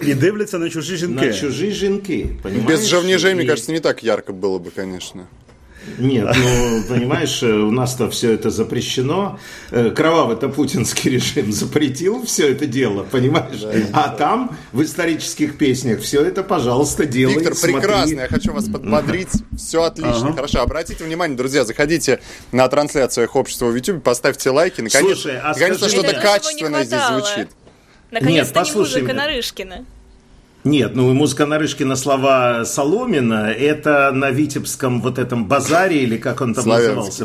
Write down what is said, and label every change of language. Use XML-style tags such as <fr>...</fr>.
<uk>і дивляться на чужі жінки. На чужі жінки, понимаєш? Без жовніжей, мені кажется, не так ярко було б, звісно. Ні, ну, понимаєш, у нас-то все це</uk> <ru>запрещено.</ru> <uk>Кровавий-то путінський режим запретив все це діло, понимаєш? А там, в історичних піснях, все це,</uk> <ru>пожалуйста, делай.</ru> <uk>Віктор, прекрасно, я хочу вас підбодрити.</uk> <ru>Все отлично. Ага. Хорошо, обратите внимание, друзья, заходите на трансляцию их общества в YouTube, поставьте лайки. Наконец, слушай, а скажи, наконец-то что-то качественное здесь звучит. Наконец-то нет, не музыка меня. Нарышкина. Нет, ну музыка Нарышкина, слова Соломина, это на Витебском вот этом базаре, или как он там назывался?</ru>